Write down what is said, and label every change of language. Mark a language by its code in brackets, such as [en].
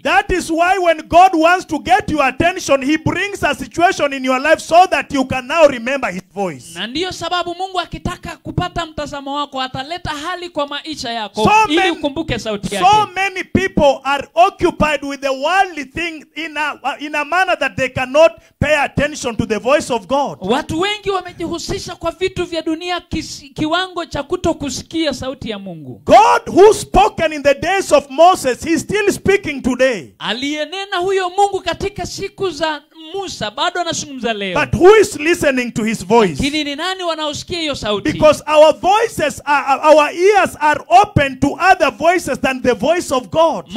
[en] That is why when God wants to get your attention, he brings a situation in your life so that you can now remember his voice. [sw] Na ndio sababu Mungu akitaka kupata mtazamo wako ataleta hali kwa maisha yako ili ukumbuke sauti yake. [en] So many people are occupied with the worldly thing in a manner that they cannot pay attention to the voice of God. [sw] Watu wengi wamejihusisha kwa vitu vya dunia kiwango cha kutokusikia sauti ya Mungu. [en] God who spoken in the days of Moses, he's still speaking today. [sw] Aliyenena huyo Mungu katika siku za Musa bado anazungumza leo. [en] But who is listening to his voice? [sw] Lakini ni nani wanaosikia hiyo sauti? [en] Because our voices our ears are open to other voices than the voice of God.